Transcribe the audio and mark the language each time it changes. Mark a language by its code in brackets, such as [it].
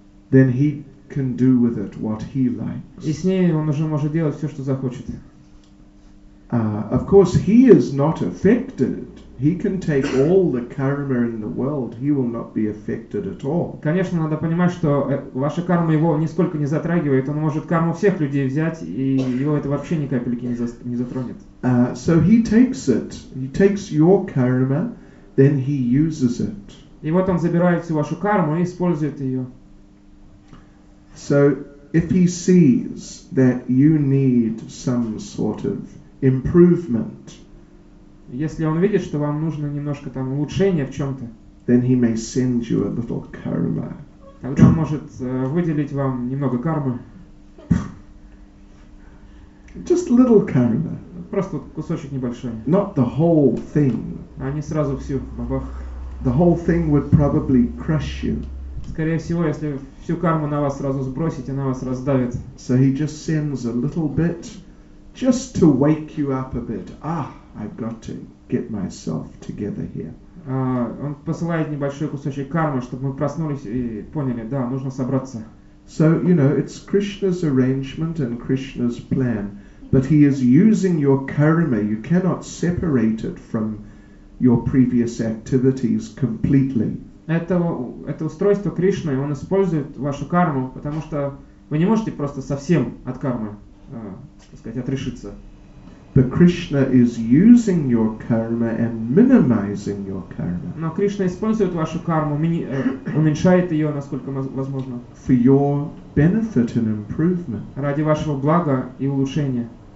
[en] Then He can do with it what He likes. [ru] И с ней он уже может делать все, что захочет. [en] Of course, He is not affected. He can take all the karma in the world. He will not be affected at all. [ru] Конечно, надо понимать, что ваша карма его нисколько не затрагивает. Он может карму всех людей взять, и его это вообще ни капельки не затронет. [en] So he takes it. He takes your karma, then he uses it. [ru] И вот он забирает всю вашу карму и использует ее. [en] So if he sees that you need some sort of improvement. [ru] Если он видит, что вам нужно немножко там улучшение в чем-то, [en] then he may send you a little karma. [ru] Тогда он может выделить вам немного кармы. [en] Just little karma. [ru] Просто кусочек небольшой. [en] Not the whole thing. [ru] А не сразу всю. Бабах. [en] The whole thing would probably crush you. [ru] Скорее всего, если всю карму на вас сразу сбросить, она вас раздавит. [en] So he just sends a little bit. Just to wake you up a bit. Ah, I've got to get myself together here. [ru] Он посылает небольшой кусочек кармы, чтобы мы проснулись и поняли, да, нужно собраться. [en] So, you know, it's Krishna's arrangement and Krishna's plan, but he is using your karma. You cannot separate it from your previous activities completely. [ru] Это устройство Кришны, он использует вашу карму, потому что вы не можете просто совсем от кармы. Отрешиться. [en] But Krishna is using your karma and minimizing your karma. [ru] Но Кришна использует вашу карму, уменьшает ее, насколько возможно. [en] For your benefit and improvement. [ru] Ради вашего блага и улучшения.